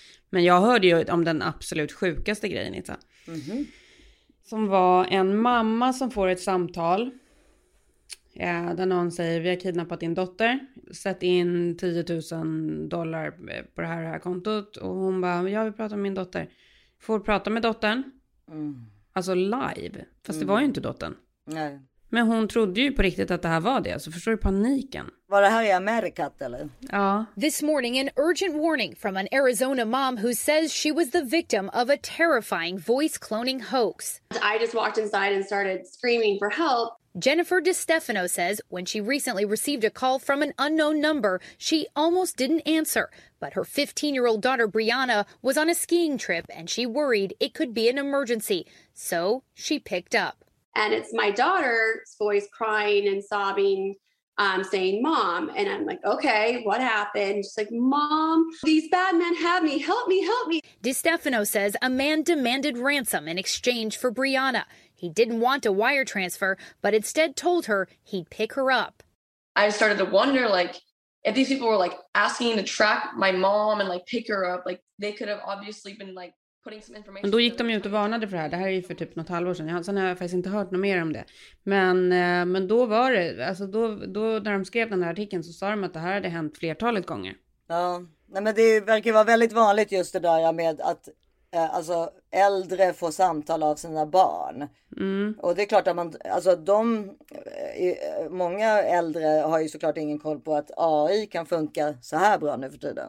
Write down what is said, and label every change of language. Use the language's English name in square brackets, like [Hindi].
[Swedish] Men jag hörde ju om den absolut sjukaste grejen, Issa. Som var en mamma som får ett samtal där någon säger, vi har kidnappat din dotter, sätt in $10,000 på det här kontot. Och hon bara, jag vill prata med min dotter. Får prata med dottern? Alltså live. Fast det var ju inte dottern. Nej. Men hon trodde ju på riktigt att det här var det. Så förstår du paniken? Var det här i Amerikat eller? Ja. [English] This morning an urgent warning from an Arizona mom who says she was the victim of a terrifying voice cloning hoax. I just walked inside and started screaming for help. Jennifer DiStefano says when she recently received a call from an unknown number, she almost didn't answer. But her 15-year-old daughter Brianna was on a skiing trip and she worried it could be an emergency. So she picked up. And it's my daughter's voice crying and sobbing, saying, Mom. And I'm like, okay, what happened? She's like, Mom, these bad men have me. Help me, help me. DiStefano says a man demanded ransom in exchange for Brianna. He didn't want a wire transfer, but instead told her he'd pick her up. I started to wonder, like, if these people were, like, asking to track my mom and, like, pick her up, like, they could have obviously been, like, putting some information. [Swedish] Men då gick de ut och varnade för det här. Det här är ju för typ något halvår sedan. Sen har jag faktiskt inte hört något mer om det. Men då var det, alltså då när de skrev den här artikeln så sa de att det här hade hänt flertalet gånger. Ja, nej, men det verkar vara väldigt vanligt just det där med att... Alltså äldre får samtal av sina barn. Och det är klart att man, alltså de, många äldre har ju såklart ingen koll på att AI kan funka så här bra nu för tiden.